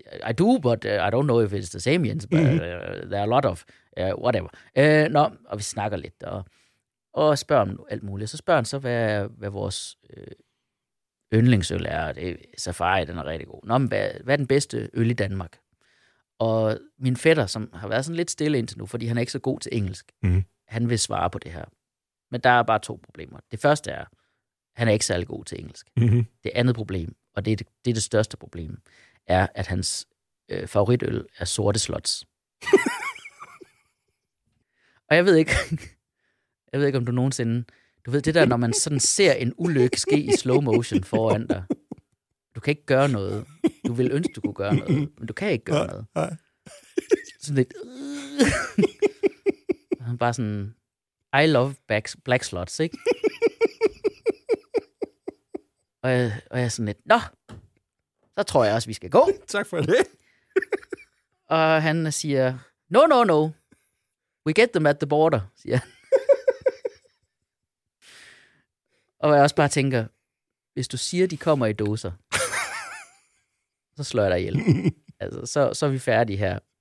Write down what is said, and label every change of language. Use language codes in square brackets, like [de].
[en] I do, but I don't know if it's the same Jens, but there are a lot of whatever. [da] Nå, og vi snakker lidt, og spørger om alt muligt. Så spørger han så, hvad vores... yndlingsøl er, og det er Safari, den er rigtig god. Nå, men hvad er den bedste øl i Danmark? Og min fætter, som har været sådan lidt stille indtil nu, fordi han er ikke så god til engelsk, han vil svare på det her. Men der er bare to problemer. Det første er, han er ikke særlig god til engelsk. Det andet problem, og det er det største problem, er, at hans favoritøl er Sorte Slots. Og jeg ved ikke, om du nogensinde... Du ved det der, når man sådan ser en ulykke ske i slow motion foran dig. Du kan ikke gøre noget. Du vil ønske, du kunne gøre noget, men du kan ikke gøre noget. Sådan lidt... Bare sådan... [en] I love black slots, ikke? [da] Og jeg er sådan lidt... Nå! Så tror jeg også, vi skal gå. Tak for det. Og han siger... No. [en] We get them at the border, [da] siger han. Og jeg også bare tænker, hvis du siger, de kommer i doser, så slår jeg dig ihjel. Altså, så er vi færdige her.